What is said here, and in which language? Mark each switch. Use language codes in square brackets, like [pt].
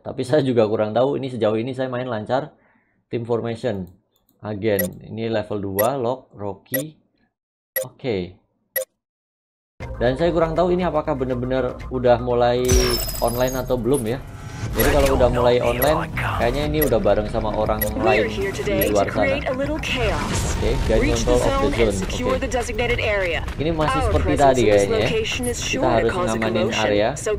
[id] Tapi saya juga kurang tahu, ini sejauh ini saya main lancar. [en] Team formation. [id] Agen. Ini level 2, lock, Rocky. Oke. Dan saya kurang tahu ini apakah benar-benar udah mulai online atau belum ya. Jadi kalau udah mulai online, kayaknya ini udah bareng sama orang lain di luar sana. [en] Oke, gain control of the zone. [id] Ini masih seperti tadi kayaknya ya. Kita harus ngamanin area.